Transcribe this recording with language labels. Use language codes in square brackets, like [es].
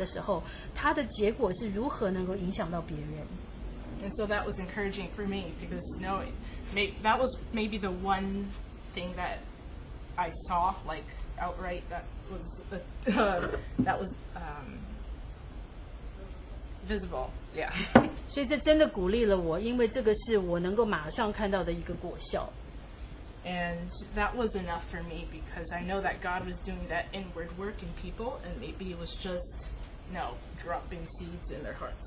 [zh] 当然，这是基督的生命在变化他。但是我们不知道，当我们在做一些事，在我们在说一些话的时候，他的结果是如何能够影响到别人。 [en] And so that was encouraging for me because knowing that was maybe the one thing that I saw like outright that was visible. Yeah. [zh] 所以这真的鼓励了我，因为这个是我能够马上看到的一个果效。 [en] And that was enough for me because I know that God was doing that inward work in people, and maybe it was just dropping seeds in their hearts.